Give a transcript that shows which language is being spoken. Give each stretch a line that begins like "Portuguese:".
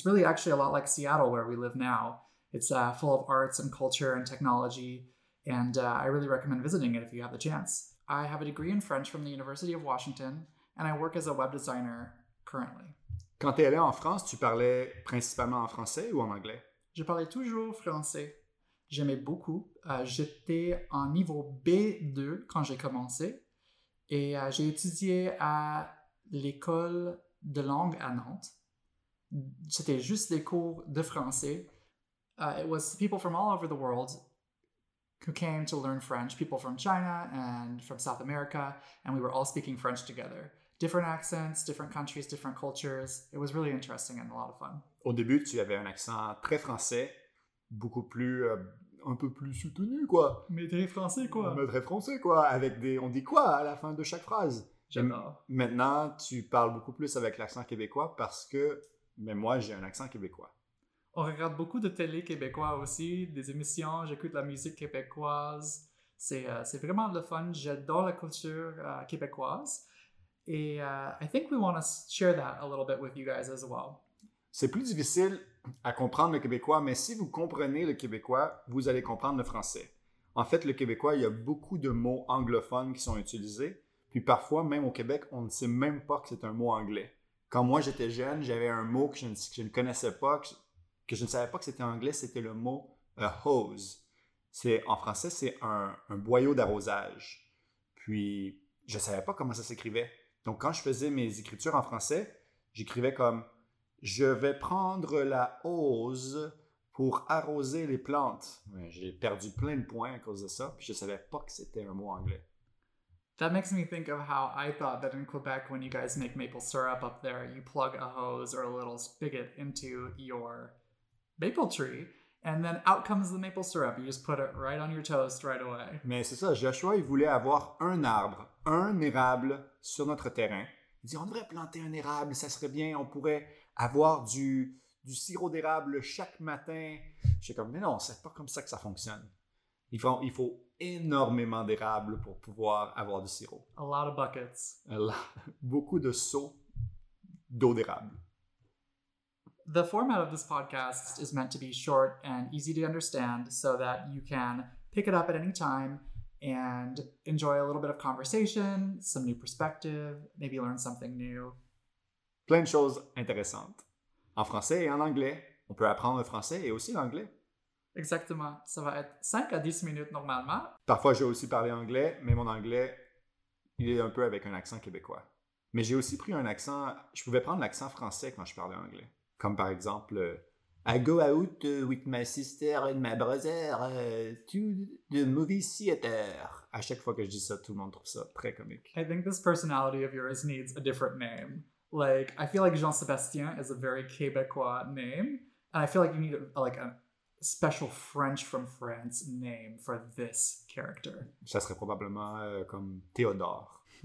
English: It's really actually a lot like Seattle where we live now. It's full of arts and culture and technology, and I really recommend visiting it if you have the chance. I have a degree in French from the University of Washington, and I work as a web designer currently.
French: Quand t'es allé en France, tu parlais principalement en français ou en anglais? Je parlais toujours français. J'aimais beaucoup. J'étais en niveau B2 quand j'ai commencé et j'ai étudié à l'école de langue à Nantes. C'était juste des cours de français.
English: It was people from all over the world who came to learn French. People from China and from South America, and we were all speaking French together. Different accents, different countries, different cultures. It was really interesting and a lot of fun.
French: Au début, tu avais un accent très français, beaucoup plus... un peu plus soutenu, quoi. Mais très français, quoi. Mais très français, quoi. Avec des... On dit quoi à la fin de chaque phrase? J'adore. Maintenant, tu parles beaucoup plus avec l'accent québécois parce que... Mais moi, j'ai un accent québécois. On regarde beaucoup de télé québécois aussi, des émissions. J'écoute la musique québécoise. C'est vraiment le fun. J'adore la culture québécoise.
English: Et I think we want to share that a little bit with you guys as well.
French: C'est plus difficile à comprendre le québécois, mais si vous comprenez le québécois, vous allez comprendre le français. En fait, le québécois, il y a beaucoup de mots anglophones qui sont utilisés. Puis parfois, même au Québec, on ne sait même pas que c'est un mot anglais. Quand moi, j'étais jeune, j'avais un mot que je ne connaissais pas, que je ne savais pas que c'était anglais, c'était le mot « a hose ». En français, c'est un boyau d'arrosage. Puis, je ne savais pas comment ça s'écrivait. Donc, quand je faisais mes écritures en français, j'écrivais comme « je vais prendre la hose pour arroser les plantes. » J'ai perdu plein de points à cause de ça, puis je savais pas que c'était un mot anglais.
English: That makes me think of how I thought that in Quebec, when you guys make maple syrup up there, you plug a hose or a little spigot into your maple tree, and then out comes the maple syrup. You just put it right on your toast right away.
French: Mais c'est ça, Joshua, il voulait avoir un arbre, un érable sur notre terrain. Il dit, on devrait planter un érable, ça serait bien, on pourrait avoir du sirop d'érable chaque matin. Je suis comme, mais non, c'est pas comme ça que ça fonctionne. Il faut énormément d'érable pour pouvoir avoir du sirop.
English: A lot of buckets.
French: Beaucoup de seaux d'eau d'érable.
English: The format of this podcast is meant to be short and easy to understand so that you can pick it up at any time and enjoy a little bit of conversation, some new perspective, maybe learn something new.
French: Plein de choses intéressantes. En français et en anglais. On peut apprendre le français et aussi l'anglais. Exactement. Ça va être 5 à 10 minutes normalement. Parfois, j'ai aussi parlé anglais, mais mon anglais, il est un peu avec un accent québécois. Mais j'ai aussi pris un accent... Je pouvais prendre l'accent français quand je parlais anglais. Comme par exemple...
English: I go out with my sister and my brother to the movie theater.
French: À chaque fois que je dis ça, tout le monde trouve ça très comique.
English: I think this personality of yours needs a different name. Like, I feel like Jean-Sébastien is a very Québécois name. And I feel like you need a, like a special French from France name for this character?
French: Ça serait probablement comme Théodore.